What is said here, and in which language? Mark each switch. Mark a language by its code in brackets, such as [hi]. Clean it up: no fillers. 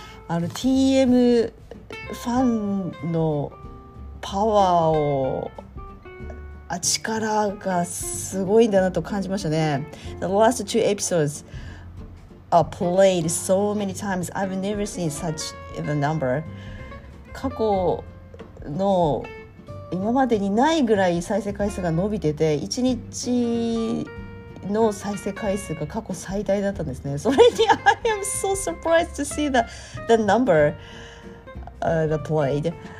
[ja] TM ファンのパワーを力がすごいんだなと感じましたね。 [en] The last two episodes are played so many times. I've never seen such a number. [ja] 過去の今までにないぐらい再生回数が伸びてて、1日の再生回数が過去最大だったんですね。それに [en] I am so surprised to see the number that played.